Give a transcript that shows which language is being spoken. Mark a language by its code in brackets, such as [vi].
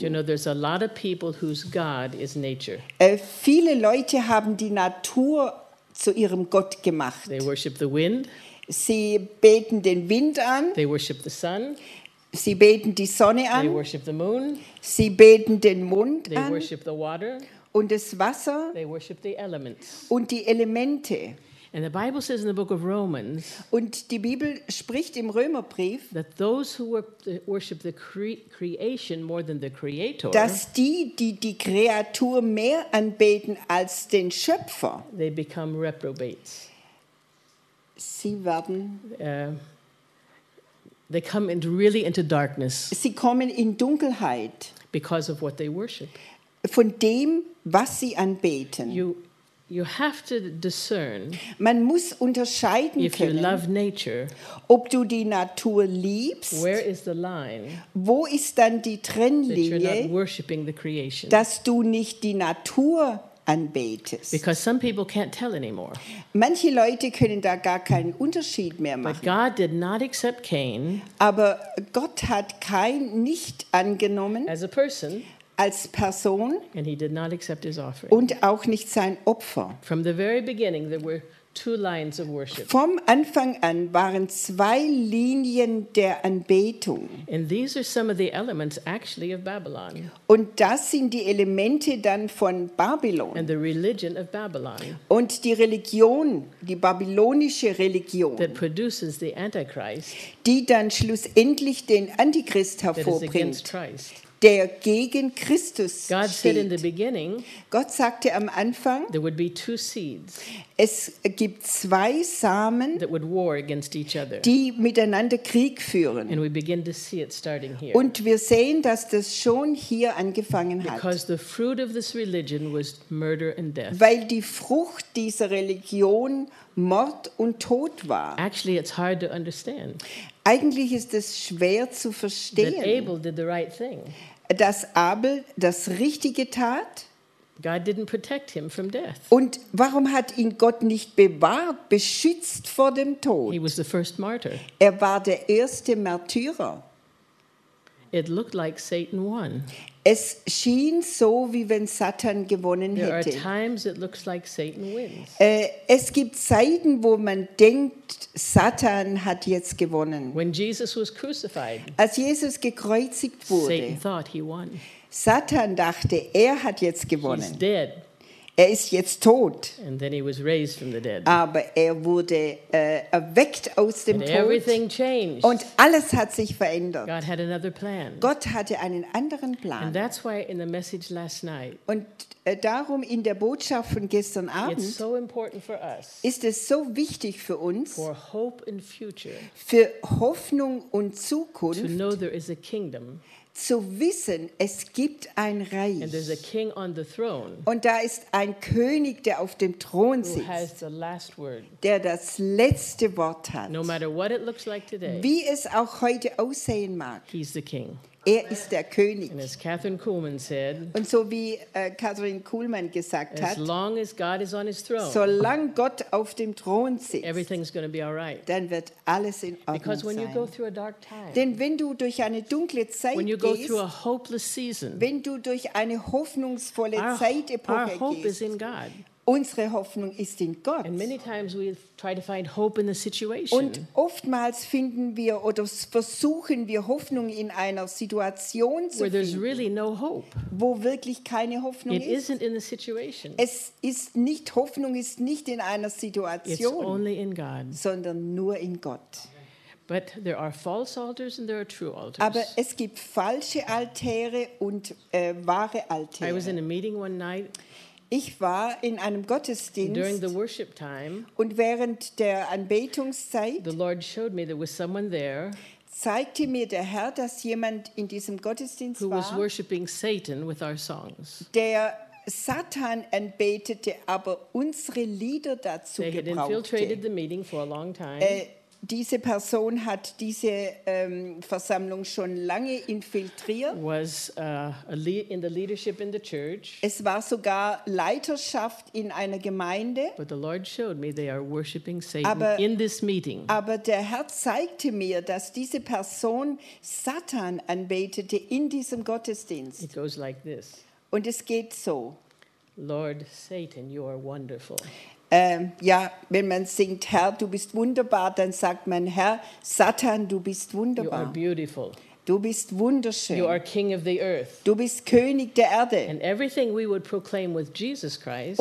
[en] You know, there's a lot of people whose God is nature. [de] Viele Leute haben die Natur zu ihrem Gott gemacht. [en] They worship the wind. [de] Sie beten den Wind an. [en] They worship the sun. [de] Sie beten die Sonne an. [en] They worship the moon. [de] Sie beten den Mond [en] they [de] an. [en] They worship the water. [de] Und das Wasser. [en] They worship the elements. [de] Und die Elemente. [en] And the Bible says in the book of Romans, [de] und die Bibel spricht im Römerbrief, [en] that those who worship the creation more than the creator, [de] dass die Kreatur mehr anbeten als den Schöpfer, [en] they become reprobates. [de] Sie werden [en] they come into really into darkness. [de] Sie kommen in Dunkelheit [en] because of what they worship. [de] Von dem, was sie anbeten. [en] You have to discern. [de] Man muss unterscheiden können. [en] If you love nature, [de] ob du die Natur liebst. [en] Where is the line? [de] Wo ist dann die Trennlinie? [en] That you're not worshiping the creation. [de] Dass du nicht die Natur anbetest. [en] Because some people can't tell anymore. [de] Manche Leute können da gar keinen Unterschied mehr machen. [en] But God did not accept Cain. [de] Aber Gott hat Cain nicht angenommen. [en] As a person. [de] Als Person [en] and he did not accept his offering. [de] Und auch nicht sein Opfer. [en] From the very beginning, there were two lines of worship. [de] Vom Anfang an waren zwei Linien der Anbetung. [en] And these are some of the elements actually of Babylon. [de] Und das sind die Elemente dann von Babylon. [en] And the religion of Babylon. [de] Und die Religion, die babylonische Religion, [en] that produces the Antichrist, [de] die dann schlussendlich den Antichrist hervorbringt. [en] That is against Christ. [de] Der gegen Christus [en] God [de] steht. [en] Said in the beginning, [de] Gott sagte am Anfang, [en] there would be two seeds, [de] es gibt zwei Samen, [en] that would war against each other. [de] Die miteinander Krieg führen. [en] And we begin to see it starting here. [de] Und wir sehen, dass das schon hier angefangen hat. [en] Because the fruit of this religion was murder and death. [de] Weil die Frucht dieser Religion Mord und Tod war. [en] Actually, it's hard to understand. [de] Eigentlich ist es schwer zu verstehen, [en] that Abel did the right thing. [de] Dass Abel das Richtige tat. [en] God didn't protect him from death. [de] Und warum hat ihn Gott nicht bewahrt, beschützt vor dem Tod? [en] He was the first martyr. [de] Er war der erste Märtyrer. [en] It looked like Satan won. [de] Es schien so, wie wenn Satan gewonnen [en] there [de] hätte. [en] Are times it looks like Satan wins. [de] Es gibt Zeiten, wo man denkt, Satan hat jetzt gewonnen. [en] When Jesus was crucified, [de] als Jesus gekreuzigt wurde, [en] Satan thought he won. [de] Satan dachte, er hat jetzt gewonnen. [en] He's dead. [de] Er ist jetzt tot. [en] And then he was raised from the dead. [de] Aber er wurde erweckt aus dem [en] and [de] Tod. [en] Everything changed. [de] Und alles hat sich verändert. [en] God had another plan. [de] Gott hatte einen anderen Plan. [en] And that's why in the message last night, [de] und darum in der Botschaft von gestern Abend, [en] it's so important for us, [de] ist es so wichtig für uns, [en] for hope and future, [de] für Hoffnung und Zukunft, [en] to know there is a kingdom, [de] zu wissen, es gibt ein Reich. [en] And there's a king on the throne, [de] und da ist ein König, der auf dem Thron sitzt, [en] who has the last word, [de] der das letzte Wort hat. [en] No matter what it looks like today, [de] wie es auch heute aussehen mag, [en] he's the king. [de] Er ist der König. [en] And as Catherine Kuhlman said, [de] und so wie Catherine Kuhlman gesagt [en] as [de] hat, [en] long as God is on his throne, [de] solange Gott auf dem Thron sitzt, [en] everything's gonna be all right. [de] Dann wird alles in Ordnung [en] because when [de] sein. [en] You go through a dark time, [de] denn wenn du durch eine dunkle Zeit [en] when you go [de] gehst, [en] through a hopeless season, [de] wenn du durch eine hoffnungsvolle Zeitepoche gehst, [en] hope is in God. [de] Unsere Hoffnung ist in Gott. [en] And many times we try to find hope in the situation. [de] Und oftmals finden wir oder versuchen wir Hoffnung in einer Situation zu [en] where there's [de] finden, [en] really no hope. [de] Wo wirklich keine Hoffnung [en] it [de] ist. [en] Isn't in the situation. [de] Es ist nicht, Hoffnung ist nicht in einer Situation, [en] it's only in God. [de] Sondern nur in Gott. [en] But there are false altars and there are true altars. [de] Aber es gibt falsche Altäre und wahre Altäre. [en] I was in a meeting one night. [de] Ich war in einem Gottesdienst [en] during the worship time, [de] und während der Anbetungszeit [en] the Lord showed me there was someone there, [de] zeigte mir der Herr, dass jemand in diesem Gottesdienst [en] who [de] war, [en] was worshiping Satan with our songs. [de] Der Satan anbetete, aber unsere Lieder dazu [en] they [de] gebrauchte. [en] Had infiltrated the meeting for a long time. [de] Diese Person hat diese Versammlung schon lange infiltriert. [en] Was in the leadership in the church. [de] Es war sogar Leiterschaft in einer Gemeinde. [en] But the Lord showed me they are worshiping Satan in this meeting. [de] Aber der Herr zeigte mir, dass diese Person Satan anbetete in diesem Gottesdienst. [en] It goes like this. [de] Und es geht so. [en] Lord Satan, you are wonderful. [de] Ja, wenn man singt, Herr, du bist wunderbar, dann sagt man, Herr, Satan, du bist wunderbar. [en] You are beautiful. [de] Du bist wunderschön. [en] You are king of the earth. [de] Du bist König der Erde. [en] And everything we would proclaim with Jesus Christ,